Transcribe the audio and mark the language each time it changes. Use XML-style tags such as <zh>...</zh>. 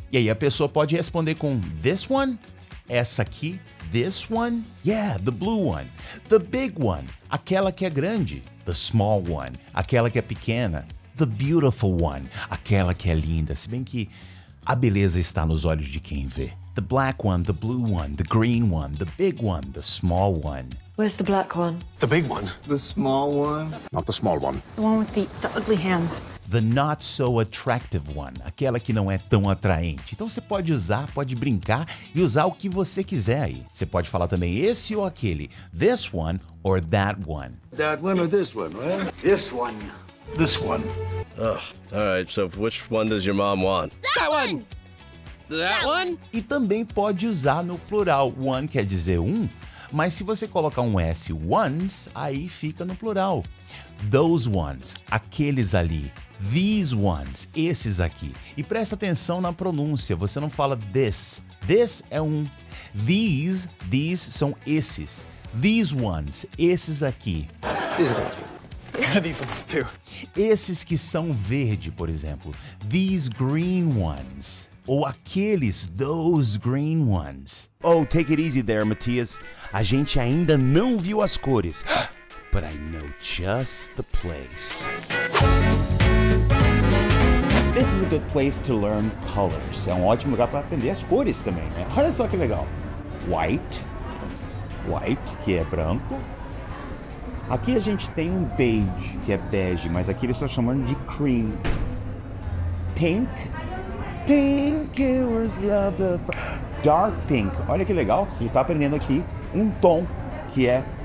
<pt>E aí a pessoa pode responder com</pt> <en>this one?</en> <pt>Essa aqui?</pt> <en>This one? Yeah, the blue one. The big one.</en> <pt>Aquela que é grande.</pt> <en>The small one.</en> <pt>Aquela que é pequena.</pt> <en>The beautiful one.</en> <pt>Aquela que é linda. Se bem que a beleza está nos olhos de quem vê.</pt> <en>The black one, the blue one, the green one, the big one, the small one. Where's the black one? The big one. The small one. Not the small one. The one with the ugly hands. The not so attractive one.</en> <pt>Aquela que não é tão atraente. Então você pode usar, pode brincar e usar o que você quiser aí. Você pode falar também esse ou aquele.</pt> <en>This one or that one. That one or this one, right? This one. This one. Ugh. All right, so which one does your mom want? That one! That one?</en> <pt>E também pode usar no plural. One quer dizer um, mas se você colocar um S, ones, aí fica no plural.</pt> <en>Those ones,</en> <pt>aqueles ali.</pt> <en>These ones,</en> <pt>esses aqui. E presta atenção na pronúncia, você não fala this. This é um. These são esses.</pt> <en>These ones,</en> <pt>esses aqui.</pt> <en>These ones. These ones too.</en> <pt>Esses que são verde, por exemplo.</pt> <en>These green ones.</en> <pt>Ou aqueles,</pt> <en>those green ones. Oh, take it easy there, Matias.</en> <pt>A gente ainda não viu as cores.</pt> <en>But I know just the place. This is a good place to learn colors.</en> <pt>É um ótimo lugar para aprender as cores também, né? Olha só que legal. White. White, que é branco. Aqui a gente tem um beige, que é bege. Mas aqui eles estão chamando de cream. Pink.</pt> <en>Pink, it was love the... Dark pink.</en> <pt>Olha que legal. Você está aprendendo aqui um tom que é</pt>